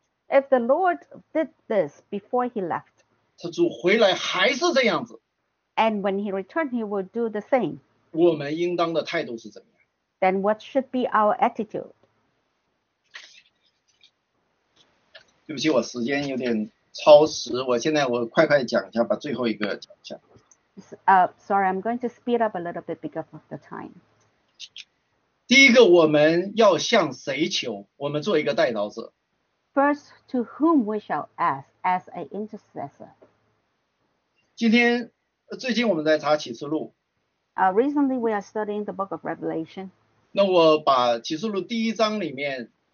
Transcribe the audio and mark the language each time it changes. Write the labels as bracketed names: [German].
[English] ，If the Lord did this before he left， [Chinese] 他主回来还是这样子 [English] ，And when he returned he would do the same。 [Chinese] 我们应当的态度是怎么样 [English] ？Then what should be our attitude？ [Chinese] 对不起，我时间有点超时，我现在我快快讲一下，把最后一个讲一下。 [English] Sorry, I'm going to speed up a little bit because of the time. [Chinese] 第一个，我们要向谁求？我们做一个代祷者。 [English] First, to whom we shall ask as an intercessor. [Chinese] 今天，最近我们在查启示录。 [English] Recently, we are studying the book of Revelation. [Chinese] 那我把启示录第一章里面